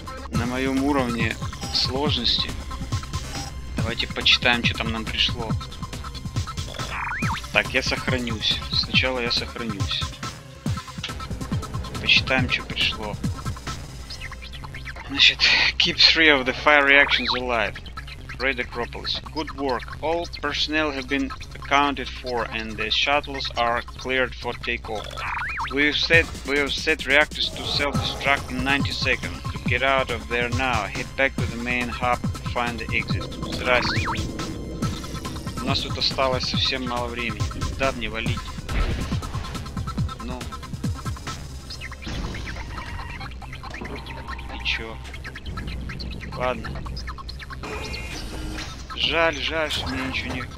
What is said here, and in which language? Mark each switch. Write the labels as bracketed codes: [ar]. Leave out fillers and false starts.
[ru] На моем уровне сложности. Давайте почитаем, что там нам пришло. Так, я сохранюсь. Сначала я сохранюсь. Посчитаем, что пришло. [en] Значит, keep three of the fire reactions alive. Raid Acropolis. Good work. All personnel have been accounted for and the shuttles are cleared for takeoff. We have set reactors to self-destruct in 90 seconds. To get out of there now, head back to the main hub to find the exit. [ru] Здрасте. У нас тут осталось совсем мало времени. Да, не валить. Ну. И чё? Ладно. Жаль, что мне ничего не...